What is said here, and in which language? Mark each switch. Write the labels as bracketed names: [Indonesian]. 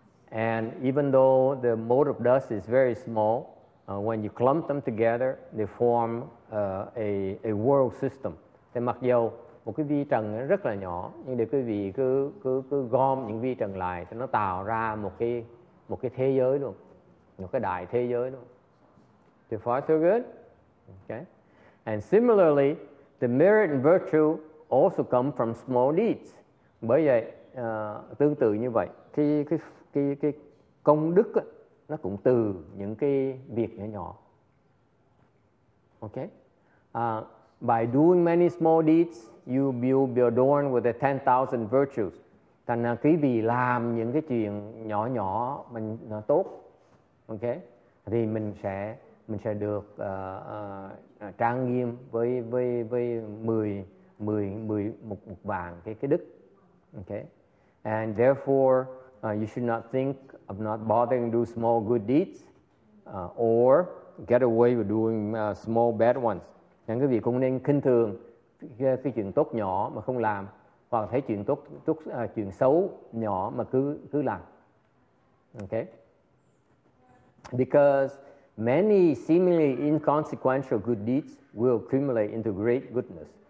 [English] And even though the mote of dust is very small, when you clump them together, they form a world system. [Vietnamese] Thì mặc dù một cái vi trần nó rất là nhỏ, nhưng để quý vị cứ gom những vi trần lại thì nó tạo ra một cái thế giới luôn, một cái đại thế giới luôn. [English] So far so good. Okay. And similarly, the merit and virtue also come from small deeds. [Vietnamese] Bởi vậy, tương tự như vậy, cái công đức nó cũng từ những cái việc nhỏ nhỏ. [English] Okay. By doing many small deeds, you will be adorned with the 10,000 virtues. [Vietnamese] Thành ra quý vị làm những cái chuyện nhỏ nhỏ mình nó tốt, okay, thì mình sẽ được trang nghiêm với 10,000 cái đức, okay. [English] And therefore, you should not think of not bothering to do small good deeds, or get away with doing small bad ones. [Vietnamese] Nên quý vị cũng nên khinh thường cái chuyện tốt nhỏ mà không làm, hoặc thấy chuyện chuyện xấu nhỏ mà cứ làm. Okay? [English] Because many seemingly inconsequential good deeds will accumulate into great goodness.